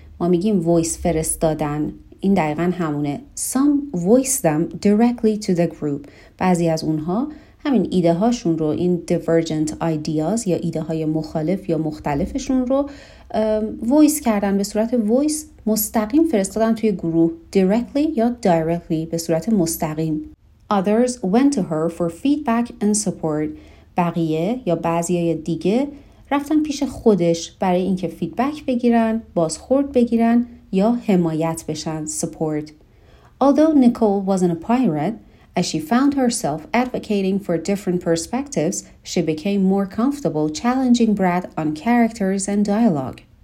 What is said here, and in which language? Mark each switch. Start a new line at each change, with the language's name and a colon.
Persian: ما میگیم voice فرستادن. این دقیقا همونه.
English: Some voice them directly to the group.
Persian: بعضی از اونها همین ایده هاشون رو، این
English: divergent ideas
Persian: یا ایده های مخالف یا مختلفشون رو وایس کردن، به صورت وایس مستقیم فرستادن توی گروه، directly یا directly به صورت مستقیم.
English: Others went to her for feedback and support.
Persian: بقیه یا بعضی های دیگه رفتن پیش خودش برای اینکه فیدبک بگیرن، بازخورد بگیرن یا حمایت بشن، support.
English: Although Nicole wasn't a pirate, as she found herself advocating for different perspectives, she became more comfortable challenging Brad on characters and dialogue.